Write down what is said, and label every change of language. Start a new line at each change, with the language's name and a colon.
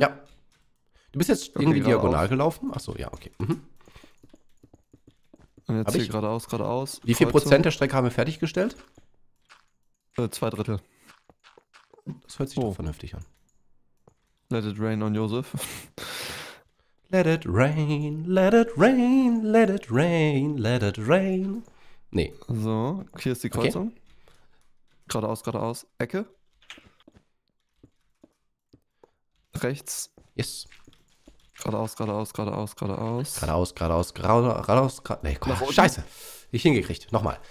German: Ja. Du bist jetzt irgendwie diagonal gelaufen? Achso, ja, okay. Mhm. Und jetzt hier geradeaus, geradeaus. Wie viel Prozent der Strecke haben wir fertiggestellt? 2/3. Das hört sich doch vernünftig an.
English: Let it rain on Josef. Let it rain, let it rain, let it rain, let it rain.
German: Nee. So, hier ist die Kreuzung. Okay. Geradeaus, geradeaus. Ecke. Rechts.
English: Yes.
German: Geradeaus, geradeaus, geradeaus, geradeaus. Geradeaus, geradeaus, geradeaus, geradeaus. Nee, komm, Scheiße. nicht hingekriegt. Nochmal.